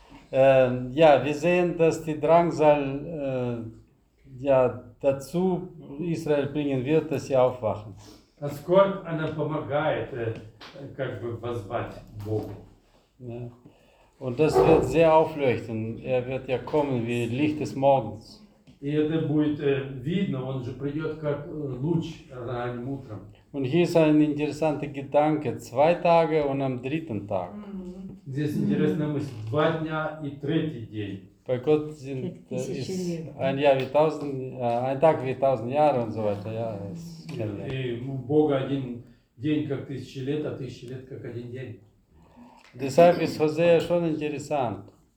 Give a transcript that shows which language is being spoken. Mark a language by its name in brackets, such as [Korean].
[German] Ja, wir sehen, dass die Drangsal dazu Israel bringen wird, dass sie aufwachen. Dass Gott einem [Russian] помогает, как бы воззвать Богу. [German] Ja. Und das wird sehr aufleuchten. Er wird ja kommen wie Licht des Morgens. [Russian] И это будет видно, он же придет как луч ранним утром. [German] Und hier ist ein interessanter Gedanke, zwei Tage und am dritten Tag. [Russian] Здесь интересная мысль, два дня и третий день. [German] Bei Gott sind ein Jahr wie tausend, ein Tag wie tausend Jahre und so weiter. Ja, es Deshalb ist Hosea schon interessant.